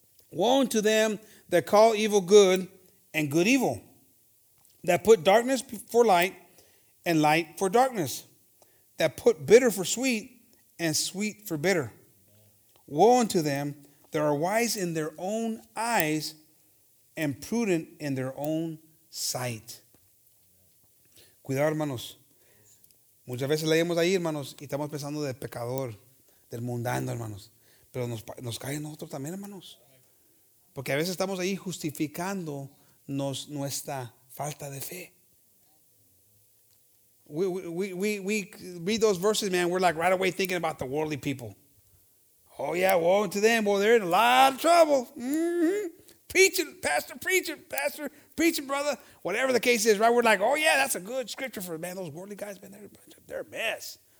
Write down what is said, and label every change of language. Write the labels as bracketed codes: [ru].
[en] Woe to them that call evil good and good evil, that put darkness for light and light for darkness, that put bitter for sweet and sweet for bitter. Woe unto them that are wise in their own eyes and prudent in their own sight. [es] Cuidado, hermanos. Muchas veces leemos ahí, hermanos, y estamos pensando del pecador, del mundano, hermanos. Pero nos cae en nosotros también, hermanos. Porque a veces estamos ahí justificando nuestra falta de fe. [en] We read those verses, man. We're like right away thinking about the worldly people. Oh, yeah, woe to them. Boy, they're in a lot of trouble. Mm-hmm. Preaching, brother. Whatever the case is, right? We're like, oh, yeah, that's a good scripture for, man, those worldly guys, man, they're a mess.